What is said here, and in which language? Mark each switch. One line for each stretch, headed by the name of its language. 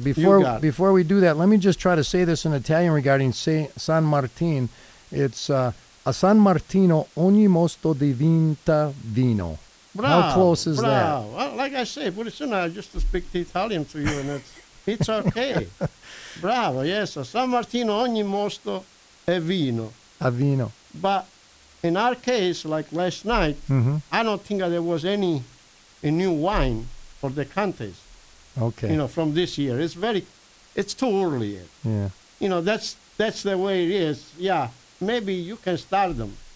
English: Before we do that, let me just try to say this in Italian regarding San Martin. It's a
Italian: San Martino ogni mosto diventa vino. Bravo,
English: how close is that? Well, like I say, pretty soon I just speak the Italian to you, and it's okay.
Italian: Bravo, yes, San Martino ogni mosto è vino. A vino.
English: But in our case, like last night, I don't think there was any new wine for the contest. Okay. You know, from this year. It's too early yet. Yeah. You know, that's the way it is. Yeah. Maybe you can start them.